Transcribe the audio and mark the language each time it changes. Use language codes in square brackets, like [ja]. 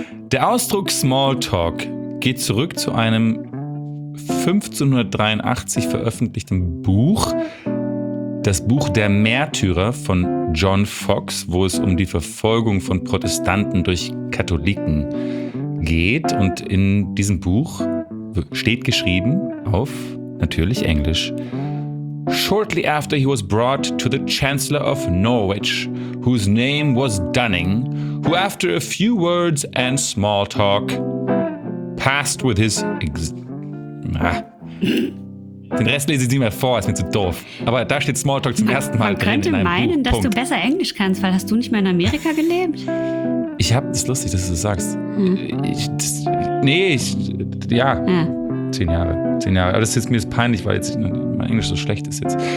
[de] Der Ausdruck Smalltalk geht zurück zu einem 1583 veröffentlichten Buch, das Buch Der Märtyrer von John Fox, wo es um die Verfolgung von Protestanten durch Katholiken geht. Und in diesem Buch steht geschrieben auf natürlich Englisch: [en] Shortly after he was brought to the Chancellor of Norwich, whose name was Dunning, who after a few words and small talk, passed with his [de] Den Rest lese ich dir mal vor, ist mir zu doof. Aber da steht Smalltalk zum ersten Mal drin in deinem Buch. Man könnte meinen, dass Punkt. Du besser Englisch kannst, weil hast du nicht mehr in Amerika gelebt? Ich hab, das ist lustig, dass du das sagst. Ja. 10 Jahre. 10 Jahre. Aber das ist jetzt, mir ist peinlich, weil jetzt mein Englisch so schlecht ist jetzt.